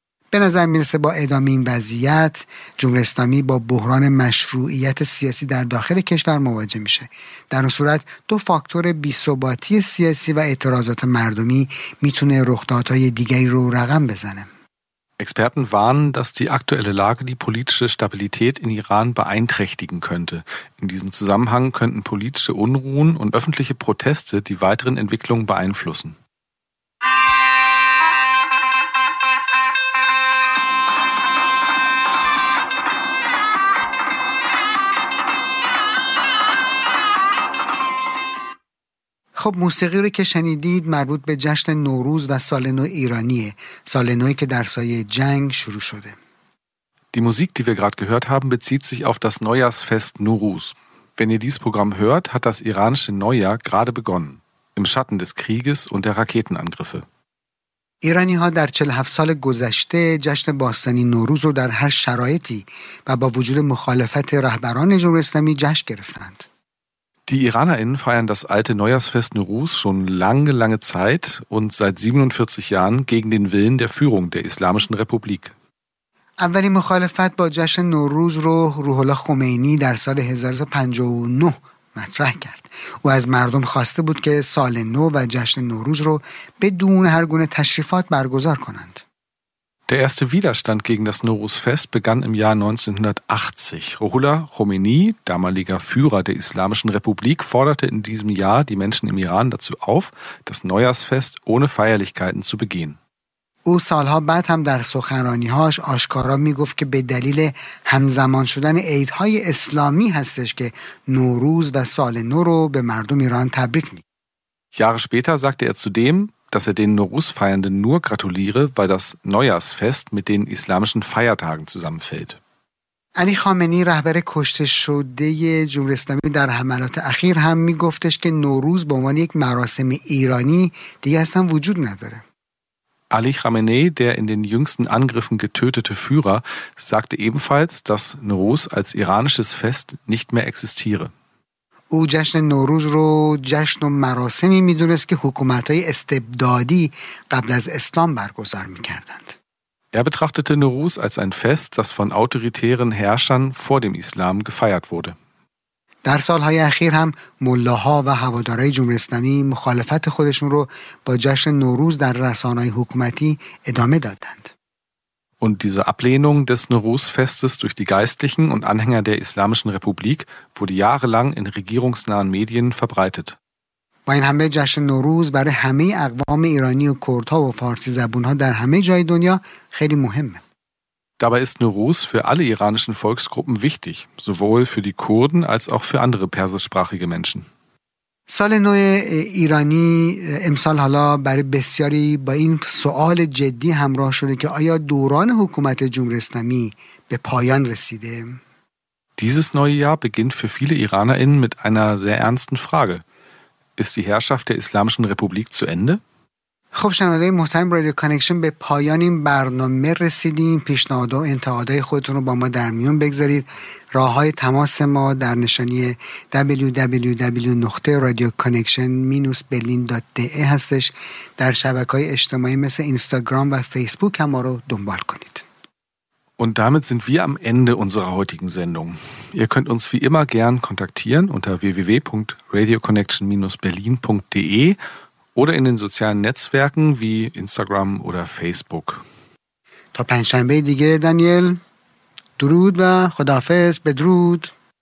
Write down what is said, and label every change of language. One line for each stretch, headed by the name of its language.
Persian: به نظر میرسه با ادامه این وضعیت جمهوری اسلامی با بحران مشروعیت سیاسی در داخل کشور مواجه میشه. در اون صورت دو فاکتور بی‌ثباتی سیاسی و اعتراضات مردمی میتونه رخدادهای دیگری رو رقم بزنه.
German: Experten warnen, dass die aktuelle Lage die politische Stabilität in Iran beeinträchtigen könnte. In diesem Zusammenhang könnten politische Unruhen und öffentliche Proteste die weiteren Entwicklungen beeinflussen.
Persian: خب موسیقی رو که شنیدید مربوط به جشن نوروز و سال نو ایرانیه، سال نوی که در سایه جنگ شروع شده.
German: Die Musik, die wir gerade gehört haben, bezieht sich auf das Neujahrsfest Nowruz. Wenn ihr dieses Programm hört, hat das iranische Neujahr gerade begonnen, im Schatten des Krieges und der Raketenangriffe.
Persian: ایرانی ها در 47 سال گذشته جشن باستانی نوروز رو در هر شرایطی و با وجود مخالفت رهبران جمهوری اسلامی جشن گرفتند.
German: Die IranerInnen feiern das alte Neujahrsfest Nowruz schon lange, lange Zeit und seit 47 Jahren gegen den Willen der Führung der Islamischen Republik.
Persian: اولی مخالفت با جشن نوروز رو روح الله خمینی در سال 1359 مطرح کرد. او از مردم خواسته بود که سال نو و جشن نوروز رو بدون هر گونه تشریفات برگزار کنند.
German: Der erste Widerstand gegen das Nowruz-Fest begann im Jahr 1980. Ruhollah Khomeini, damaliger Führer der Islamischen Republik, forderte in diesem Jahr die Menschen im Iran dazu auf, das Neujahrsfest ohne Feierlichkeiten zu begehen.
Persian: او سالها بعد هم در سخنرانی‌هاش آشکارا میگفت که به دلیل همزمان شدن عیدهای اسلامی هستش که نوروز و سال نو رو به مردم ایران تبریک می.
German: Jahre später sagte er zudem, dass er den Nowruz-Feiernden nur gratuliere, weil das Neujahrsfest mit den islamischen Feiertagen zusammenfällt.
Persian: علی خامنی رهبر کشته شده جمهوری اسلامی در حملات اخیر هم میگفتش که نوروز به عنوان یک مراسم ایرانی دیگه اصلا وجود نداره.
German: Ali Khamenei, der in den jüngsten Angriffen getötete Führer, sagte ebenfalls, dass Nowruz als iranisches Fest nicht mehr existiere.
Persian: او جشن نوروز رو جشن و مراسمی میدونست که حکومت‌های استبدادی قبل از اسلام برگزار می‌کردند.
German: Er betrachtete Nowruz als ein Fest, das von autoritären Herrschern vor dem Islam gefeiert wurde.
Persian: در سالهای اخیر هم ملاها و هوادارهای جمهوری اسلامی مخالفت خودشون رو با جشن نوروز در رسانه‌های حکومتی ادامه دادند.
German: Und diese Ablehnung des Nowruz-Festes durch die Geistlichen und Anhänger der Islamischen Republik wurde jahrelang in regierungsnahen Medien verbreitet.
Persian: با این همه جشن نوروز برای همه اقوام ایرانی و کردها و فارسی زبونها در همه جای دنیا خیلی مهمه.
German: Dabei ist Nowruz für alle iranischen Volksgruppen wichtig, sowohl für die Kurden als auch für andere persischsprachige Menschen.
Persian: سال نو ایرانی امسال حالا برای بسیاری با این سوال جدی همراه شده که آیا دوران حکومت جمهوری اسلامی به پایان رسیده؟
German: Dieses neue Jahr beginnt für viele IranerInnen mit einer sehr ernsten Frage. Ist die Herrschaft der Islamischen Republik zu Ende?
Persian: خب شنونده محترم رادیو کانکشن به پایان این برنامه رسیدیم. پیشنهاد و انتقادهای خودتون رو با ما در میون بگذارید. راه های تماس ما در نشانی www.radioconnection-berlin.de هستش. در شبکه‌های اجتماعی مثل اینستاگرام و فیسبوک هم ما رو دنبال کنید.
German: Und damit sind wir am Ende unserer heutigen Sendung. Ihr könnt uns wie immer gern kontaktieren unter www.radioconnection-berlin.de oder in den sozialen Netzwerken wie Instagram oder Facebook.
Persian: تا پنجشنبه دیگه دانیل. درود و خداحافظ. بدرود.